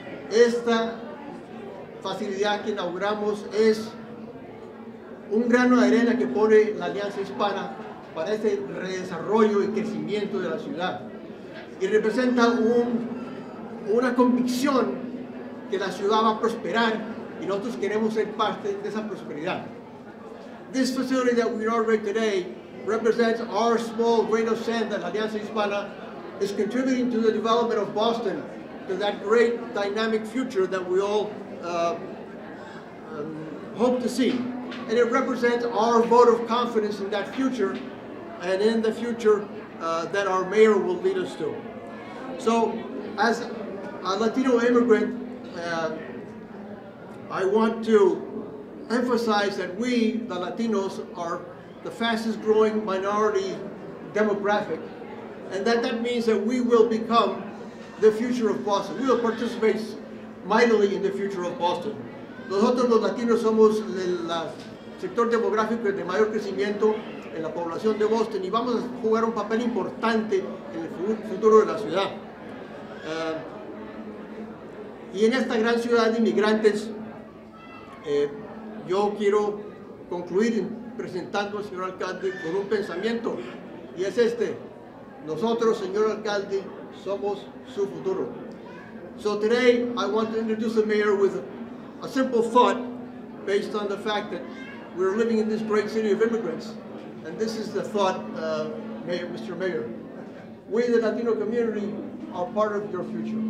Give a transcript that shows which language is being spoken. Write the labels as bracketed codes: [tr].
[es] Esta facilidad que inauguramos es un grano de arena que pone la Alianza Hispana para ese redesarrollo y crecimiento de la ciudad. Y representa una convicción que la ciudad va a prosperar y nosotros queremos ser parte de esa prosperidad. [en] This facility that we inaugurate today represents our small grain of sand that Alianza Hispana is contributing to the development of Boston, to that great dynamic future that we all hope to see. And it represents our vote of confidence in that future and in the future that our mayor will lead us to. So, as a Latino immigrant, I want to emphasize that we, the Latinos, are the fastest growing minority demographic, and that means that we will become the future of Boston. We will participate mightily in the future of Boston. [es] Nosotros los Latinos somos el sector demográfico de mayor crecimiento en la población de Boston y vamos a jugar un papel importante en el futuro de la ciudad. Y en esta gran ciudad de inmigrantes, yo quiero concluir presentando al señor alcalde con un pensamiento, y es este: nosotros, señor alcalde, somos su futuro. [en] So today I want to introduce the mayor with a simple thought based on the fact that we're living in this great city of immigrants. And this is the thought, Mr. Mayor. We, the Latino community, are part of your future.